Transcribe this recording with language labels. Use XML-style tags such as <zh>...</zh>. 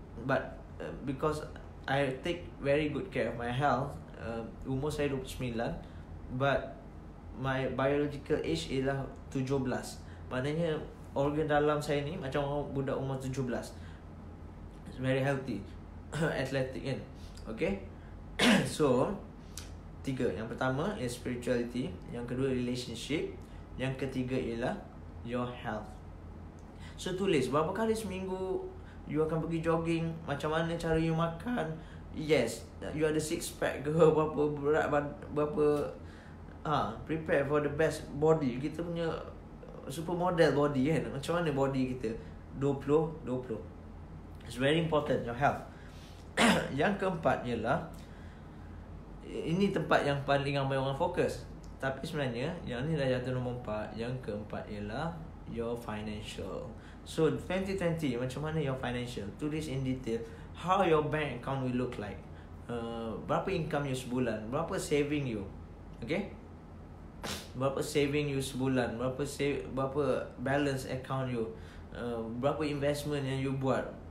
<en>But because I take very good care of my health,</en> <ms>umur saya 29,</ms> <en>but my biological age</en> <ms>ialah 17. Maknanya organ dalam saya ni macam budak umur 17.</ms> <en>It's very healthy, athletic kan.</en> <ms>Okay. So, tiga. Yang pertama is spirituality, yang kedua relationship, yang ketiga ialah</ms> <en>your health.</en> <ms>So tulis berapa kali seminggu you akan pergi jogging, macam mana cara you makan. Yes, you ada six pack ke, berapa berat, berapa prepare for the best body. Kita punya supermodel body kan, macam mana body kita 20 20.</ms> <en>It's very important, your health.</en> <ms>Yang keempat ialah, ini tempat yang paling ramai orang fokus, tapi sebenarnya yang ni dah jatuh nombor 4. Yang keempat ialah</ms> <en>your financial.</en> <ms>So 2020, macam mana</ms> <en>your financial? Tulis in detail how your bank account will look like.</en> <ms>Berapa income you sebulan, berapa saving you. Okay, berapa saving you sebulan, berapa save, berapa balance account you, berapa investment yang you buat.</ms>